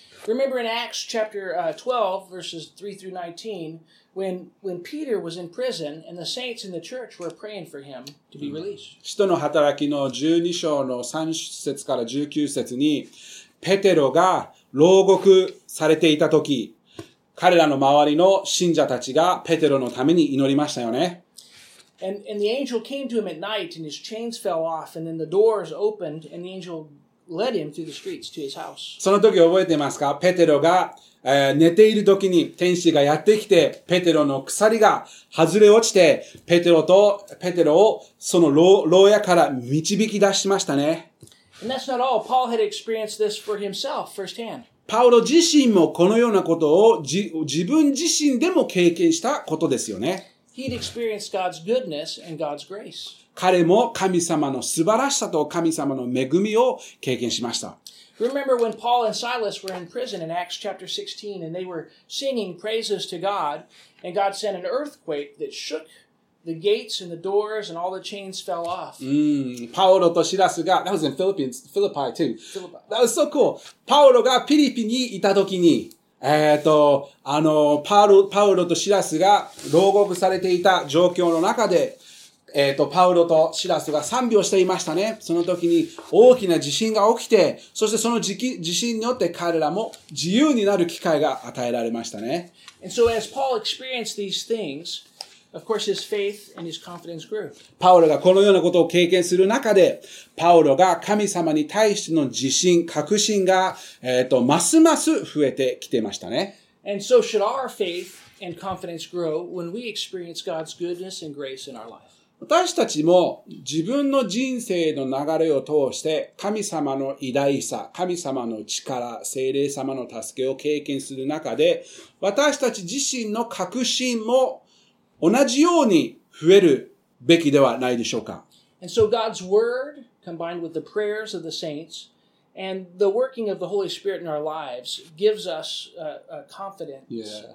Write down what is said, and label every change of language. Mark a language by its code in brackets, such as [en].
[en] Remember in Acts chapter 12 verses 3 through 19 when Peter was in prison and the saints in the church were praying for him to be released. [ja] 使徒の働きの12章の3節から19節にペテロが牢獄されていた時、彼らの周りの信者たちがペテロのために祈りましたよね。 [en] And the angel came to him at night and his chains fell off and then the doors opened and the angel led him through the streets to his house. [ja] その時覚えてますか？ペテロが、寝ている時に天使がやってきてペテロの鎖が外れ落ちてペテロをその牢屋から導き出しましたね。 [en] And that's not all. Paul had experienced this for himself firsthand. [ja] パウロ自身もこのようなことを自分自身でも経験したことですよね。 [en] He'd experienced God's goodness and God's grace. [ja] 彼も神様の素晴らしさと神様の恵みを経験しました。 [en] Remember when Paul and Silas were in prison in Acts chapter 16 and they were singing praises to God and God sent an earthquake that shook the gates and the doors and all the chains fell off. [ja] パウロとシラスが、 [en] that was in Philippines, Philippi too. Philippi. That was so cool. [ja] パウロがピリピにいた時に、パウロとシラスが牢獄されていた状況の中で、パウロとシラスが賛美をしていましたね。その時に大きな地震が起きて、そしてその地震によって彼らも自由になる機会が与えられましたね。 [en] And so as Paul experienced these things,Of course, his faith and his confidence grew. [ja] パウロがこのようなことを経験する中で、パウロが神様に対しての自信、確信が、ますます増えてきてましたね。 [en] And so should our faith and confidence grow when we experience God's goodness and grace in our life. [ja] 私たちも自分の人生の流れを通して、神様の偉大さ、神様の力、聖霊様の助けを経験する中で、私たち自身の確信も同じように増えるべきではないでしょうか。 [en] And so God's word combined with the prayers of the saints and the working of the Holy Spirit in our lives gives us a confidence、yeah.